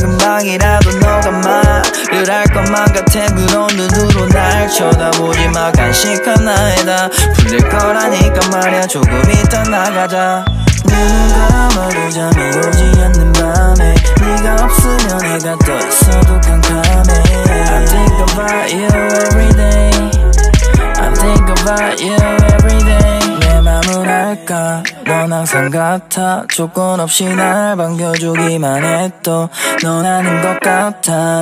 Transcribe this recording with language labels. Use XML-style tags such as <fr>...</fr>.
<ko>금방이라도 너가 말을 할 것만 같아. 그런 눈으로 날 쳐다보지 마. 간식한 나에 다 풀릴 거라니까 말야. 조금 이따 나가자. 눈을 감아도 잠이 오지 않는 밤에 네가 없으면 해가 떠있어도 캄캄해.</ko> <en>I think about you every day. I think about you every day.</en> <ko>내 맘은 알까? 넌 항상 같아. 조건 없이 날 반겨주기만 해도 넌 아는 것 같아.</ko>